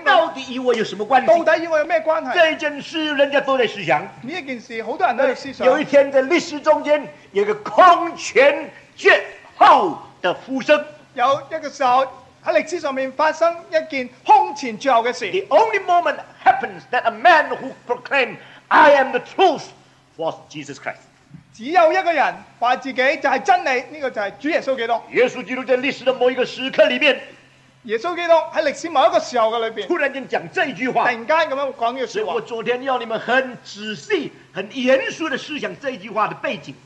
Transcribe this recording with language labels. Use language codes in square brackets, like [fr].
[zh] 到底与我有什么关系？到底与我有什么关系？这件事人家都在思想，这件事很多人都在思想。有一天在历史中间有个空前绝后的呼声，有一个时候在历史上面发生一件空前绝后的事。 [en] The only moment happens that a man who proclaimed I am the truth was Jesus Christ， [zh] 只有一个人说自己就是真理，这个就是主耶稣基督。耶稣基督在历史的某一个时刻里面，耶稣基督在历史某一个时候的里面突然间讲这句话，突然间这样讲这句话。所以我昨天要你们很仔细很严肃的思想这句话的背景，